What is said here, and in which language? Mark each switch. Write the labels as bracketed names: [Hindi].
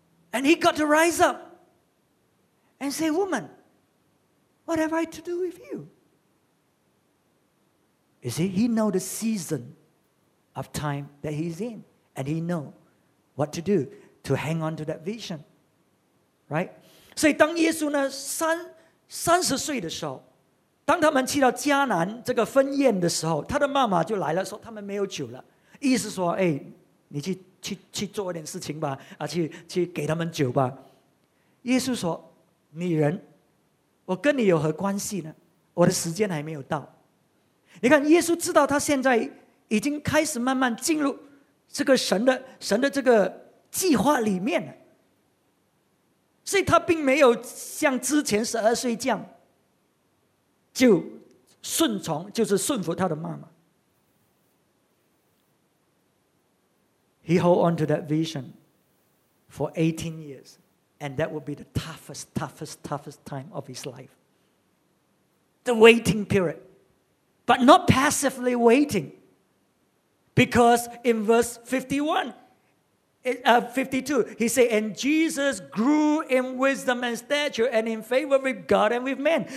[English] And he got to rise up and say, woman, what have I to do with you? You see, he know the season of time that he's in. And he know what to do to hang on to that vision. Right? [Chinese] 所以当耶稣呢30岁的时候，当他们去到迦南这个婚宴的时候，他的妈妈就来了，说他们没有酒了，意思说，哎，你去去做一点事情吧，去给他们酒吧。耶稣说，女人，我跟你有何关系呢？我的时间还没有到。你看，耶稣知道他现在已经开始慢慢进入这个神的这个计划里面了，所以他并没有像之前十二岁这样就顺从，就是顺服他的妈妈。 [English] He hold on to that vision for 18 years, and that would be the toughest time of his life. The waiting period, but not passively waiting, because in verse 52, he said, "And Jesus grew in wisdom and stature and in favor with God and with men."